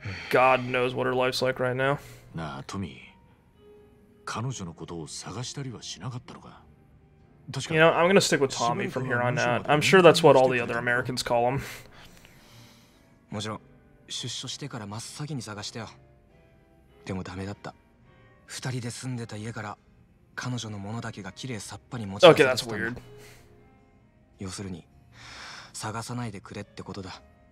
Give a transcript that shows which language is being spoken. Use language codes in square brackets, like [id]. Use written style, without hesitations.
[en] God knows what her life's like right now. [ja] なあ、トミー。彼女のことを探したりはしなかったのか？確か。 [en] You know, I'm gonna stick with Tommy from here on out. I'm sure that's what all the other Americans call him. [ja] もちろん、出所してから真っ先に探したよ。でもダメだった。二人で住んでた家から彼女のものだけが綺麗さっぱり持ち出されてたんだ。 [en] Okay, that's weird. [ja] 要するに、探さないでくれってことだ。